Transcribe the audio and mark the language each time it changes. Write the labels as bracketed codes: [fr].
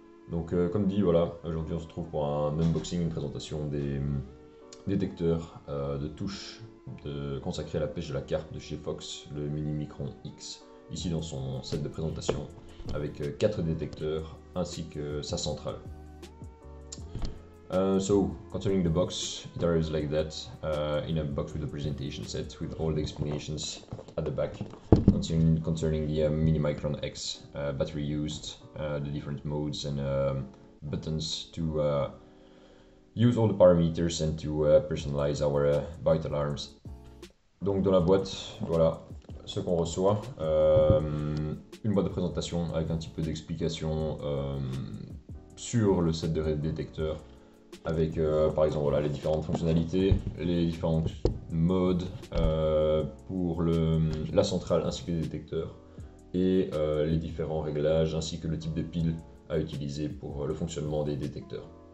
[fr] Donc comme dit voilà, aujourd'hui on se trouve pour un unboxing, une présentation des détecteurs de touche de consacrés à la pêche de la carpe de chez Fox, le Mini Micron X, ici dans son set de présentation avec 4 détecteurs ainsi que sa centrale. [en] So concerning the box, it arrives like that, in a box with a presentation set with all the explanations at the back concerning the Mini Micron X battery used, the different modes and buttons to use all the parameters and to personalize our bite alarms. [fr] Donc dans la boîte, voilà ce qu'on reçoit. Une boîte de présentation avec un petit peu d'explication sur le set de détecteurs, avec par exemple voilà, les différentes fonctionnalités, les différents modes pour la centrale ainsi que les détecteurs, et les différents réglages ainsi que le type de pile à utiliser pour le fonctionnement des détecteurs.